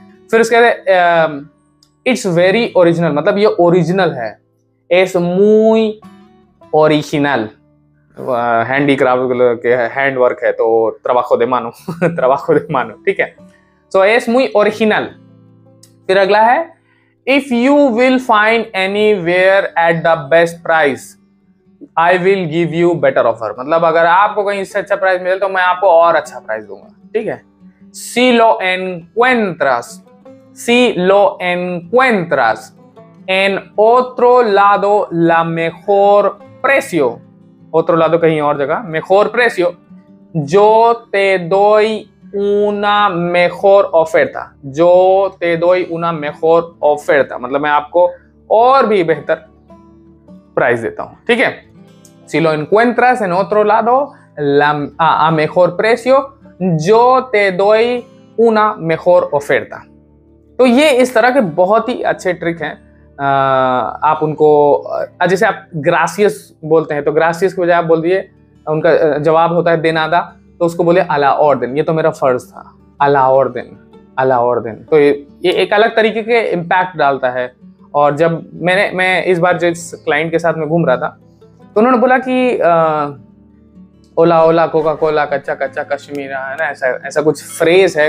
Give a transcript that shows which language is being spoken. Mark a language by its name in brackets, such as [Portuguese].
[Hindi] फिर उसके बाद [English] it's very original, [Hindi] मतलब ये ओरिजिनल है, इट्स मुय ओरिजिनल, हैंडीक्राफ्ट के हैंड वर्क है तो [Spanish] त्रबाखो दे मानो, त्रबाखो दे मानो, [Hindi] ठीक है. [English] so it's [Spanish] मुय ओरिजिनल. [Hindi] फिर अगला है, [English] If you will find anywhere at the best price I will give you better offer. [Hindi] मतलब अगर आपको कहीं इससे अच्छा प्राइस मिले तो मैं आपको और अच्छा प्राइस दूंगा, ठीक है. [Spanish] सी लो encuentras, सी लो encuentras en otro lado la mejor precio. Otro lado [Hindi] कहीं और जगह, [Spanish] mejor precio. Yo te doy una mejor oferta. Yo te doy una mejor oferta. [Hindi] मतलब मैं आपको और भी बेहतर प्राइस देता हूँ, ठीक है. [Spanish] Si lo encuentras en otro lado, a mejor precio, yo te doy una mejor oferta. [Hindi] तो ये इस तरह के बहुत ही अच्छे ट्रिक हैं. आप उनको, जैसे आप gracias बोलते हैं तो gracias के बजाय आप बोल दिए, उनका जवाब होता है देनादा, तो उसको बोले [Spanish] a la orden, [Hindi] ये तो मेरा फर्ज था, a la orden, a la orden. तो ये एक अलग तरीके के इम्पैक्ट डालता है. और जब मैं इस बार जिस क्लाइंट के साथ में घूम रहा था, उन्होंने बोला कि ओला ओला कोका कोला कच्चा कच्चा कश्मीरा, है ना, ऐसा ऐसा कुछ फ्रेज है.